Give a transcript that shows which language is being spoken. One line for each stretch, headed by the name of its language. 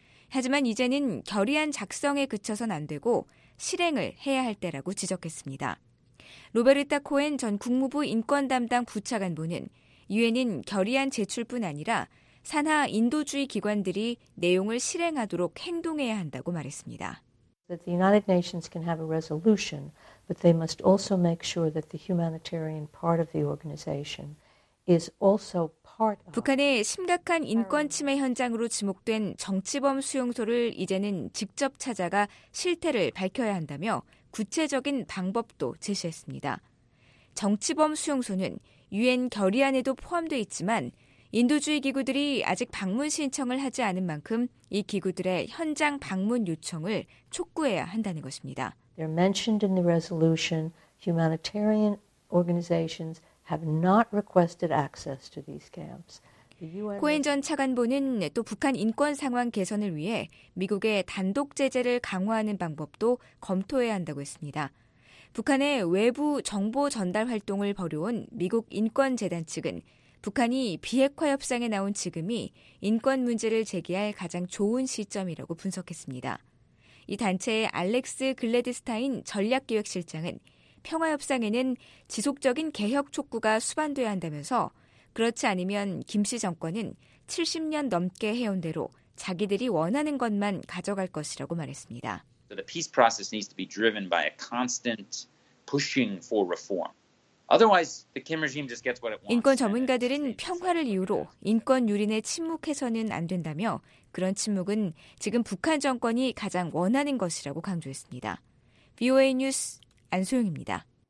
Korean: 하지만 이제는 결의안 작성에 그쳐선 안 되고 실행을 해야 할 때라고 지적했습니다. 로베르타 코엔 전 국무부 인권 담당 부차관보는 유엔은 결의안 제출뿐 아니라 산하 인도주의 기관들이 내용을 실행하도록 행동해야 한다고 말했습니다.
English: That the United Nations can have a resolution, but they must also make sure that the humanitarian part of the organization is also part of.
Korean: 북한의 심각한 인권 침해 현장으로 지목된 정치범 수용소를 이제는 직접 찾아가 실태를 밝혀야 한다며 구체적인 방법도 제시했습니다. 정치범 수용소는 유엔 결의안에도 포함돼 있지만 인도주의 기구들이 아직 방문 신청을 하지 않은 만큼 이 기구들의 현장 방문 요청을 촉구해야 한다는 것입니다.
English: They're mentioned in the resolution. Humanitarian organizations have not requested access to these camps.
Korean: 코엔 전 차관보는 또 북한 인권 상황 개선을 위해 미국의 단독 제재를 강화하는 방법도 검토해야 한다고 했습니다. 북한의 외부 정보 전달 활동을 벌여온 미국 인권재단 측은 북한이 비핵화 협상에 나온 지금이 인권 문제를 제기할 가장 좋은 시점이라고 분석했습니다. 이 단체의 알렉스 글래드스타인 전략기획실장은 평화협상에는 지속적인 개혁 촉구가 수반돼야 한다면서 그렇지 않으면 김씨 정권은 70년 넘게 해온 대로 자기들이 원하는 것만 가져갈 것이라고 말했습니다.
English: So the peace process needs to be driven by a constant pushing for reform. Otherwise, the Kim regime just gets what it wants.
Korean: 인권 전문가들은 평화를 이유로 인권 유린에 침묵해서는 안 된다며 그런 침묵은 지금 북한 정권이 가장 원하는 것이라고 강조했습니다. VOA 뉴스 안소영입니다.